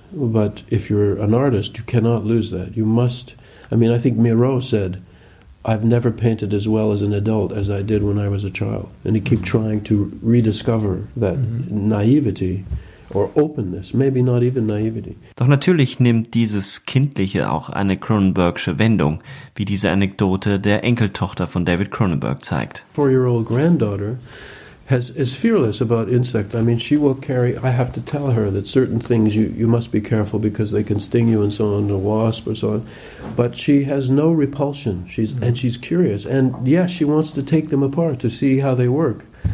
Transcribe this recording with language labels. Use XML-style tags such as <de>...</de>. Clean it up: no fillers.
<en>But if you're an artist, you cannot lose that. You must. I mean, I think Miro said, "I've never painted as well as an adult as I did when I was a child," and he keep trying to rediscover that naivety. Or openness, maybe not even naivety.</en> <de>Doch natürlich nimmt dieses Kindliche auch eine Cronenbergsche Wendung, wie diese Anekdote der Enkeltochter von David Cronenberg zeigt.</de> <en>4-year-old granddaughter is fearless about insects. I mean, she will carry, I have to tell her that certain things you must be careful because they can sting you and so on, a wasp or so on. But she has no repulsion. And she's curious. And yes, she wants to take them apart to see how they work.</en>